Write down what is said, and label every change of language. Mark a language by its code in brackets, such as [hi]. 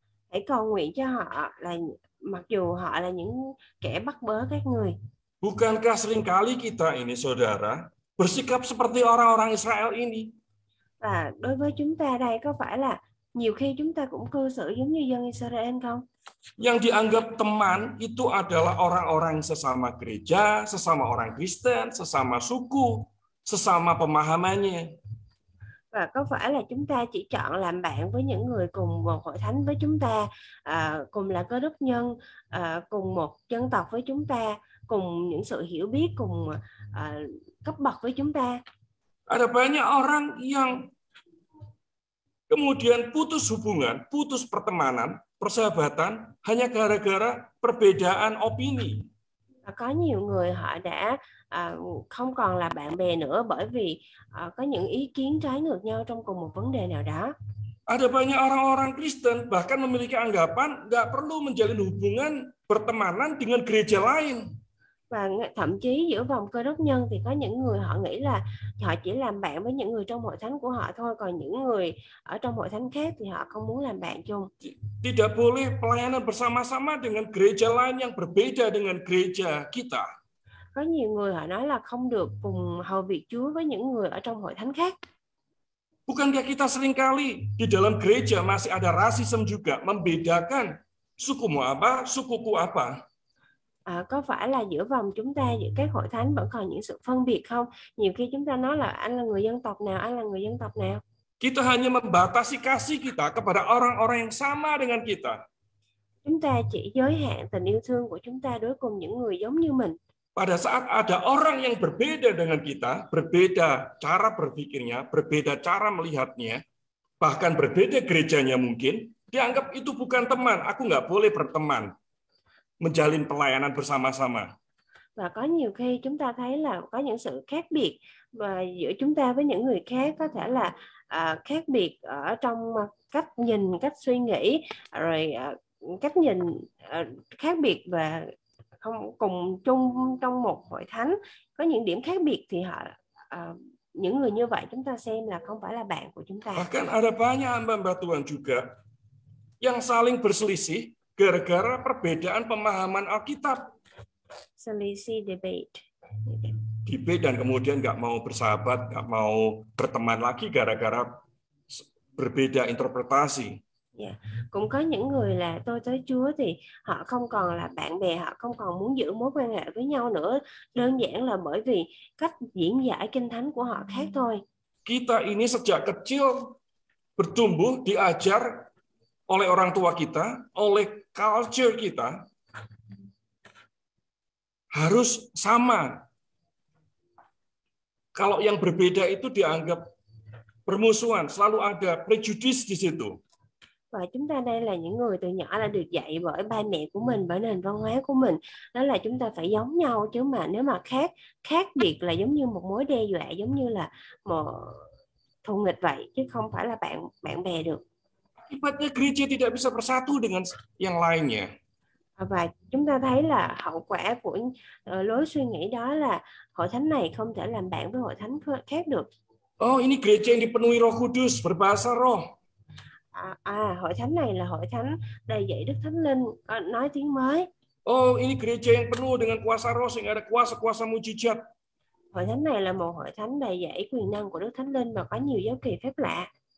[vi] Hãy cầu nguyện cho họ là mặc dù họ là những kẻ bắt bớ các người. [id] Bukankah seringkali kita ini, saudara, bersikap seperti orang-orang Israel ini? [vi] Và đối với chúng ta đây, có phải là nhiều khi chúng ta cũng cư xử giống như dân Israel không? [id] Yang dianggap teman itu adalah orang-orang sesama gereja, sesama orang Kristen, sesama suku, sesama pemahamannya. [vi] Và có phải là chúng ta chỉ chọn làm bạn với những người cùng một hội thánh với chúng ta, cùng là cơ đốc nhân, cùng một dân tộc với chúng ta, cùng những sự hiểu biết, cùng cấp bậc với chúng ta? [id] Ada banyak orang yang kemudian putus hubungan, putus pertemanan, persahabatan hanya gara-gara perbedaan opini. [vi] Có nhiều người họ đã không còn là bạn bè nữa bởi vì có những ý kiến trái ngược nhau trong cùng một vấn đề nào đó. [id] Ada banyak orang-orang Kristen bahkan memiliki anggapan nggak perlu menjalin hubungan pertemanan dengan gereja lain. [vi] Và thậm chí giữa vòng cơ đốc nhân thì có những người họ nghĩ là họ chỉ làm bạn với những người trong hội thánh của họ thôi, còn những người ở trong hội thánh khác thì họ không muốn làm bạn chung. [id] Tidak boleh pelayanan bersama-sama dengan gereja lain yang berbeda dengan gereja kita. [vi] Có nhiều người họ nói là không được cùng hầu việc Chúa với những người ở trong hội thánh khác. [id] Bukankah kita seringkali di dalam gereja masih ada rasisme juga membedakan suku mu apa, sukuku apa? [vi] Có phải là giữa vòng chúng ta, giữa các hội thánh vẫn còn những sự phân biệt không? Nhiều khi chúng ta nói là anh là người dân tộc nào, anh là người dân tộc nào. [id] Kita hanya membatasi kasih kita kepada orang-orang yang sama dengan kita. [vi] Chúng ta chỉ giới hạn tình yêu thương của chúng ta đối cùng những người giống như mình. [id] Pada saat ada orang yang berbeda dengan kita, berbeda cara berpikirnya, berbeda cara melihatnya, bahkan berbeda gerejanya mungkin, dianggap itu bukan teman, aku nggak boleh berteman. Menjalin pelayanan bersama-sama. [vi] Và có nhiều khi chúng ta thấy là có những sự khác biệt và giữa chúng ta với những người khác, có thể là khác biệt ở trong cách nhìn, cách suy nghĩ, rồi cách nhìn khác biệt và không cùng chung trong một hội thánh, có những điểm khác biệt thì họ những người như vậy chúng ta xem là không phải là bạn của chúng ta. [id] Bahkan ada banyak hamba-hamba Tuhan juga yang saling berselisih gara-gara perbedaan pemahaman Alkitab. Selisih debate. Debate dan kemudian nggak mau bersahabat, nggak mau berteman lagi gara-gara berbeda interpretasi. [vi] Ya, cũng có những người là tôi tới Chúa thì họ không còn là bạn bè, họ không còn muốn giữ mối quan hệ với nhau nữa. Đơn giản là bởi vì cách diễn giải kinh thánh của họ khác thôi. [id] Kita ini sejak kecil bertumbuh, diajar oleh orang tua kita, oleh culture kita, harus sama. Kalau yang berbeda itu dianggap permusuhan, selalu ada prejudis di situ. [vi] Và chúng ta đây là những người từ nhỏ là được dạy bởi ba mẹ của mình, bởi nền văn hóa của mình. Đó là chúng ta phải giống nhau chứ mà nếu mà khác, khác biệt là giống như một mối đe dọa, giống như là một thù nghịch vậy, chứ không phải là bạn bạn bè được. [id] Akibatnya gereja tidak bisa bersatu dengan yang lainnya. [vi] Và chúng ta thấy là hậu quả của lối suy nghĩ đó là hội thánh này không thể làm bạn với hội thánh khác được. [id] Oh, ini gereja yang dipenuhi Roh Kudus, berbahasa roh. [vi] Hội thánh này là hội thánh đầy dạy Đức Thánh Linh, nói tiếng mới. [id] Oh, ini gereja yang penuh dengan kuasa roh, sehingga ada kuasa-kuasa mujizat. [vi] Hội thánh này là một hội thánh đầy dạy quyền năng của Đức Thánh Linh và có nhiều dấu kỳ phép lạ.